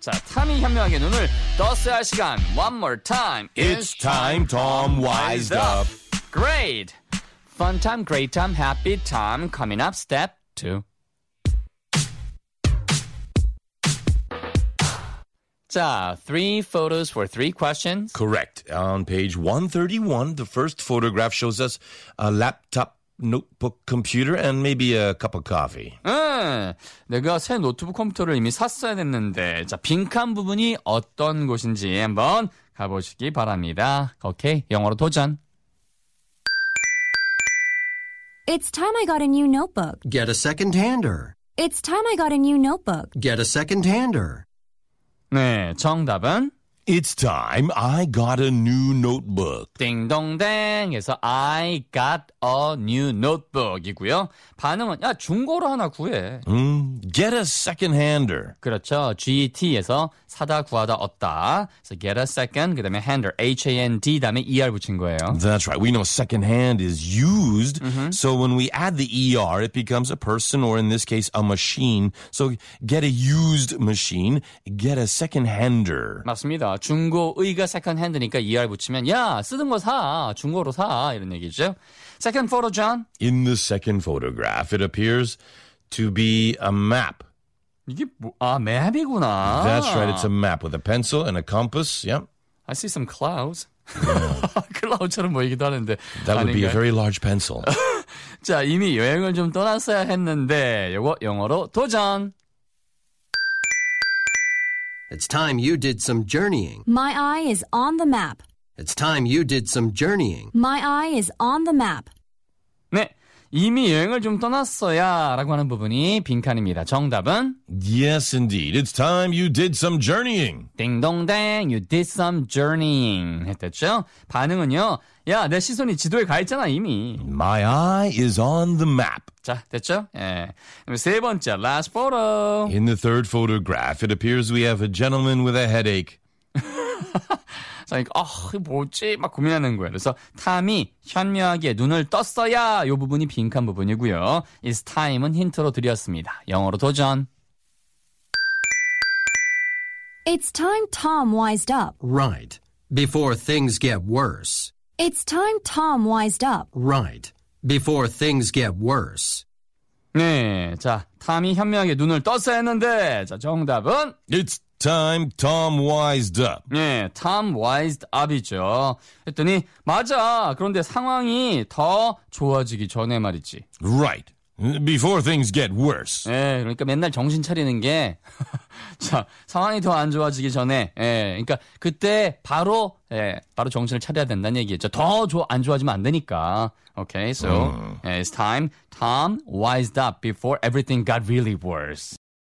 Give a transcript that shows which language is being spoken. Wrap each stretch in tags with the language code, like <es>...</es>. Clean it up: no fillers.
<ko>자, 탐이 현명하게 눈을 떴어야 할 시간.</ko> <en>One more time. It's time Tom wised up. Great. Fun time, great time, happy time. Coming up, step two. 자, three photos for three questions. Correct. On page 131, the first photograph shows us a laptop, notebook, computer, and maybe a cup of coffee.</en> <ko>내가 새 노트북 컴퓨터를 이미 샀어야 됐는데, 자, 빈칸 부분이 어떤 곳인지 한번 가보시기 바랍니다. 오케이, 영어로 도전.</ko> <en>It's time I got a new notebook. Get a second-hander. It's time I got a new notebook. Get a second-hander.</en> <ko>네, 정답은</ko> <en>It's time I got a new notebook.</en> <ko>띵동댕에서</ko> <en>I got a new notebook</en> <ko>이고요. 반응은 야 중고로 하나 구해.</ko> <en>Get a second-hander.</en> <ko>그렇죠. GET에서 사다 구하다 얻다.</ko> <en>So get a second,</en> <ko>그 다음에 hander, H-A-N-D, 다음에 ER 붙인 거예요.</ko> <en>That's right. We know second-hand is used. Mm-hmm. So when we add the ER, it becomes a person or in this case a machine. So get a used machine, get a second-hander.</en> <ko>맞습니다. 중고의가 second-hand니까 ER 붙이면 야 쓰던 거 사, 중고로 사 이런 얘기죠.</ko> <en>Second photo, John. In the second photograph, it appears to be a map.</en> <ko>이게 아 맵이구나.</ko> <en>That's right. It's a map with a pencil and a compass. Yep. I see some clouds.</en> <ko>Cloud처럼 보이기도 하는데.</ko> <en>That would be a very large pencil.</en> <ko>자 이미 여행을 좀 떠났어야 했는데 이거 영어로 도전.</ko> <en>It's time you did some journeying. My eye is on the map. It's time you did some journeying. My eye is on the map.</en> <ko>네. 이미 여행을 좀 떠났어야 라고 하는 부분이 빈칸입니다. 정답은?</ko> <en>Yes, indeed. It's time you did some journeying. 띵동댕, you did some journeying.</en> <ko>했었죠? 반응은요? 야, 내 시선이 지도에 가 있잖아, 이미.</ko> <en>My eye is on the map.</en> <ko>자, 됐죠? 예. 세 번째,</ko> <en>last photo. In the third photograph, it appears we have a gentleman with a headache.</en> <ko>그러니까 뭐지? 막 고민하는 거예요. 그래서 탐이 현명하게 눈을 떴어야 이 부분이 빈칸 부분이고요. It's time은 힌트로 드렸습니다. 영어로 도전.</ko> <en>It's time Tom wised up. Right. Before things get worse. It's time Tom wised up. Right. Before things get worse.</en> <ko>네, 자, 탐이 현명하게 눈을 떴어야 했는데 자, 정답은?</ko> <en>It's time Tom wised up.</en> <ko>네, Tom wised up이죠. 했더니, 맞아, 그런데 상황이 더 좋아지기 전에 말이지.</ko> <en>Right, before things get worse.</en> <ko>네, 그러니까 맨날 정신 차리는 게 자, 상황이 더 안 좋아지기 전에 예, 그러니까 그때 바로 예, 바로 정신을 차려야 된다는 얘기였죠. 더 안 좋아지면 안 되니까.</ko> <en>Okay, so it's time Tom wised up before everything got really worse.</en>